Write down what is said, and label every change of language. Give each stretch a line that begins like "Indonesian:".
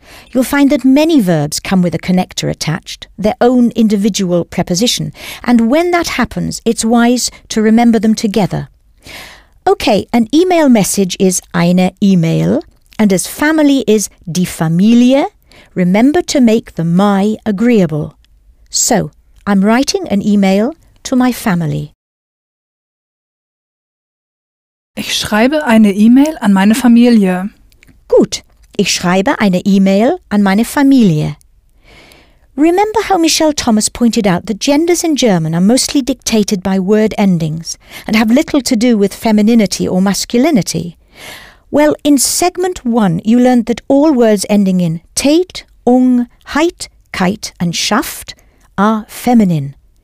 English: You'll find that many verbs come with a connector attached, their own individual preposition, and when that happens, it's wise to remember them together. Okay, an email message is eine E-Mail, and as family is die Familie, remember to make the my agreeable. So, I'm writing an email to my family.
German: Ich schreibe eine E-Mail an meine Familie. Gut. Ich schreibe eine E-Mail an meine Familie.
English: Remember how Michelle Thomas pointed out that genders in German are mostly dictated by word endings and have little to do with femininity or masculinity? Well, in segment one, you learned that all words ending in tät, ung, heit, kite and schaft are feminine.